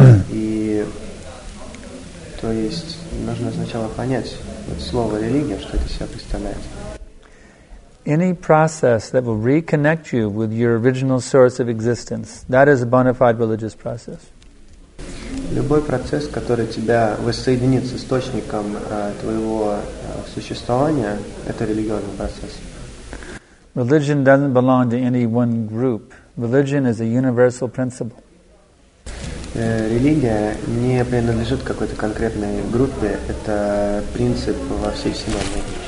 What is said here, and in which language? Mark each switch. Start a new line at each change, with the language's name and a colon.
Russian: И то есть нужно сначала понять вот слово религия, что это себя представляет.
English: Any process that will reconnect you with your original source of existence, that is a bona fide religious process.
Russian: Любой процесс, который тебя воссоединит с источником твоего существования, это религиозный процесс.
English: Religion doesn't belong to any one group. Religion is a universal principle.
Russian: Религия не принадлежит какой-то конкретной группе, это принцип во всей вселенной.